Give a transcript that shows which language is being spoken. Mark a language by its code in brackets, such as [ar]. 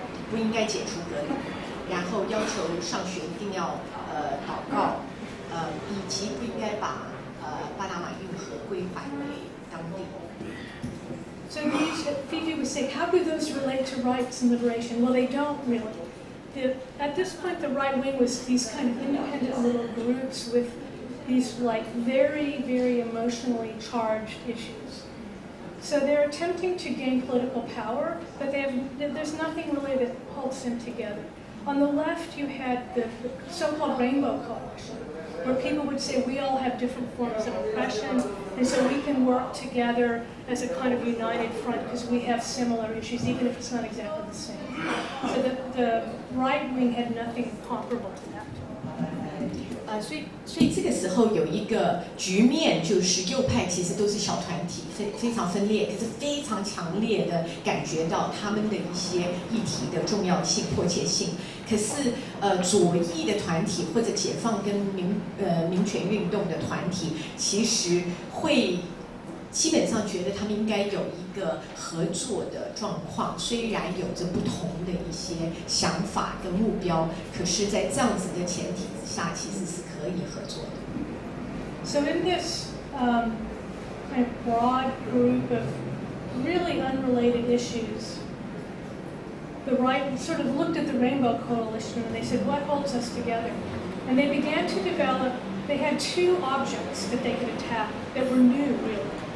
[zh] 不应该解除隔离，然后要求上学一定要祷告，以及不应该把巴拿马运河归还给当地。 [en] So Phoebe was saying, how do those relate to rights and liberation? Well, they don't really. At this point, the right wing was these kind of independent little groups with these like very, very emotionally charged issues. So they're attempting to gain political power, but there's nothing really that holds them together. On the left, you had the so-called Rainbow Coalition, where people would say we all have different forms of oppression, and so we can work together as a kind of united front because we have similar issues, even if it's not exactly the same. So the right wing had nothing comparable to that. [zh] 所以这个时候有一个局面，就是右派其实都是小团体，非常分裂，可是非常强烈的感觉到他们的一些议题的重要性、迫切性。可是左翼的团体或者解放跟民权运动的团体，其实会基本上觉得他们应该有一个合作的状况，虽然有着不同的一些想法跟目标，可是在这样子的前提之下其实是可以合作的。 [en] So in this kind of broad group of really unrelated issues, the right sort of looked at the Rainbow Coalition and they said, what holds us together? And they began to develop, they had two objects that they could attack that were new, really.